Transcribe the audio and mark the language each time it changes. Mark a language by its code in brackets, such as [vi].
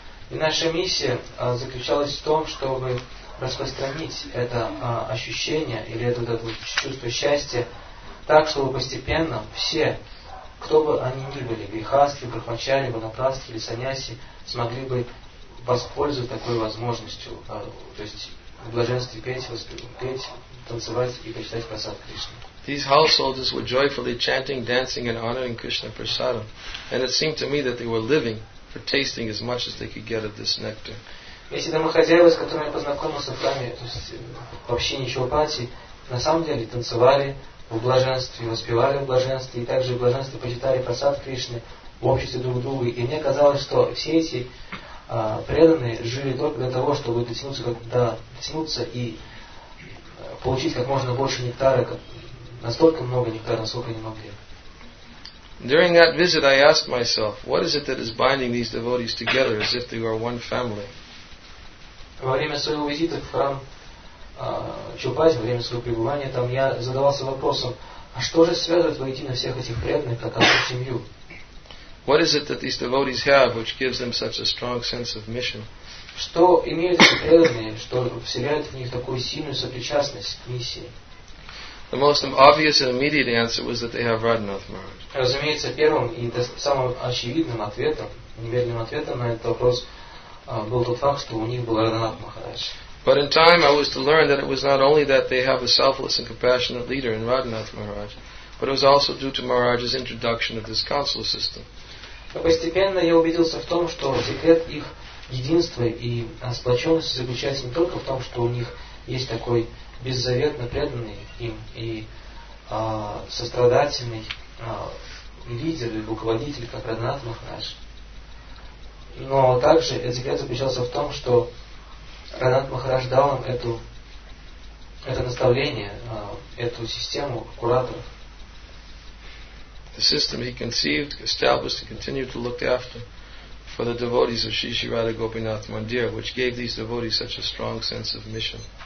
[ru] И наша миссия заключалась в том, чтобы распространить это ощущение или это чувство счастья так, чтобы постепенно все, кто бы они ни были, грихастхи, брахмачари, ванапрастхи или саньяси, смогли бы воспользоваться такой возможностью, то есть в блаженстве петь, танцевать и почитать прасад Кришны. [en] These householders were joyfully chanting, dancing, and honoring Krishna Prasadam, and it seemed to me that they were living for tasting as much as they could get of this nectar. [ru] Эти домохозяева, с которыми я познакомился в храме, то есть вообще ничего пати, на самом деле танцевали в блаженстве, воспевали в блаженстве, и также в блаженстве почитали прасад Кришны в обществе друг друга. И мне казалось, что все эти преданные жили только для того, чтобы дотянуться и получить как можно больше нектара. Настолько много нектара, насколько они могли. [en] During that visit, I asked myself, what is it that is binding these devotees together as if they were one family? [ru] Во время своего визита в храм Чупати, во время своего пребывания там, я задавался вопросом, а что же связывает воедино всех этих преданных, как одну семью? [en] What is it that these devotees have, which gives them such a strong sense of mission? [ru] Что имеют эти преданные, что вселяет в них такую сильную сопричастность к миссии? [en] The most obvious and immediate answer was that they have Radhanath Maharaj. [ru] Разумеется, первым и самым очевидным ответом, немедленным ответом на этот вопрос был тот факт, что у них был Радханат Махарадж. [en] But in time I was to learn that it was not only that they have a selfless and compassionate leader in Radhanath Maharaj, but it was also due to Maharaj's introduction of this council system. [ru] Постепенно я убедился в том, что секрет их единства и сплоченности заключается не только в том, что у них есть такой беззаветно преданный им и сострадательный лидер и руководитель, как Радханат Махарадж. Но также этот секрет заключался в том, что Радханат Махарадж дал им это наставление, эту систему кураторов. [en] The system he conceived, established, and continued to look after for the devotees of Shri Shri Radha Gopinath Mandir, which gave these devotees such a strong sense of mission.